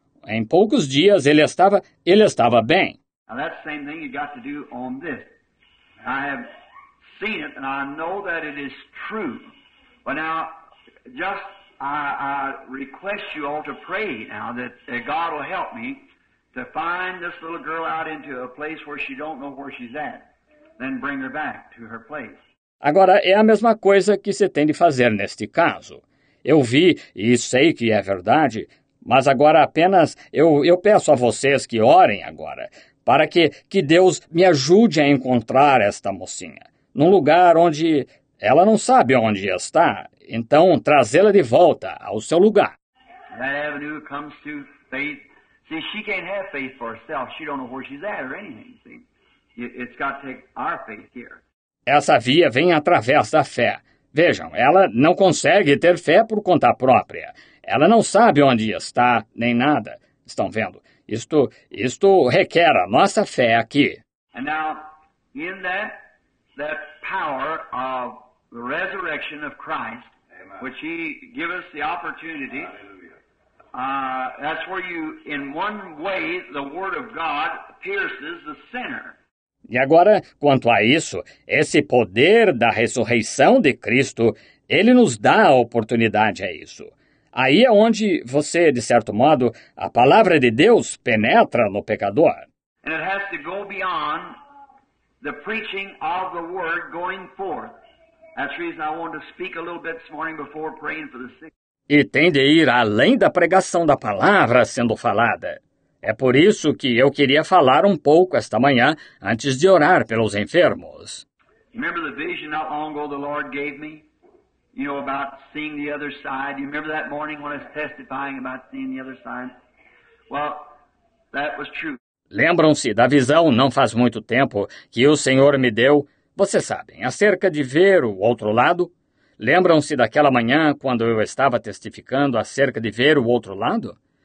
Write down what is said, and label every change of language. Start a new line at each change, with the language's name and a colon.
Portuguese: Em poucos dias ele estava bem.
English: Now that's the same thing you got to do on this. I have seen it and I know that it is true. But now just, I request you all to pray now that God will help me to find this little girl out into a place where she don't know where she's at. Then bring her back to her place.
Portuguese: Agora, é a mesma coisa que se tem de fazer neste caso. Eu vi e sei que é verdade, mas agora apenas eu peço a vocês que orem agora para que Deus me ajude a encontrar esta mocinha num lugar onde ela não sabe onde está. Então, trazê-la de volta ao seu lugar.
English: That avenue comes to faith. See, she can't have faith for herself. She don't know where she's at or anything. See, it's got to take our faith here.
Portuguese: Essa via vem através da fé. Vejam, ela não consegue ter fé por conta própria. Ela não sabe onde está, nem nada. Estão vendo? Isto requer a nossa fé aqui.
English: And now, in that power of the resurrection of Christ, amen, which he give us the opportunity. That's where you, in one way, the word of God pierces the sinner.
Portuguese: E agora, quanto a isso, esse poder da ressurreição de Cristo, ele nos dá a oportunidade a isso. Aí é onde você, de certo modo, a palavra de Deus penetra no pecador.
English: And it has to go beyond the preaching of the word going forth. That's the reason I wanted to speak a little bit this morning before praying for the sick.
Portuguese: E tem de ir além da pregação da palavra sendo falada. É por isso que eu queria falar um pouco esta manhã antes de orar pelos enfermos.
English: Remember the vision not long ago the Lord gave me? You know, about seeing the other side. You remember that morning when I was testifying about seeing the other side? Well, that was true.
Portuguese: Lembram-se da visão não faz muito tempo que o Senhor me deu? Vocês sabem, acerca de ver o outro lado? Lembram-se daquela manhã quando eu estava testificando acerca de ver o outro lado?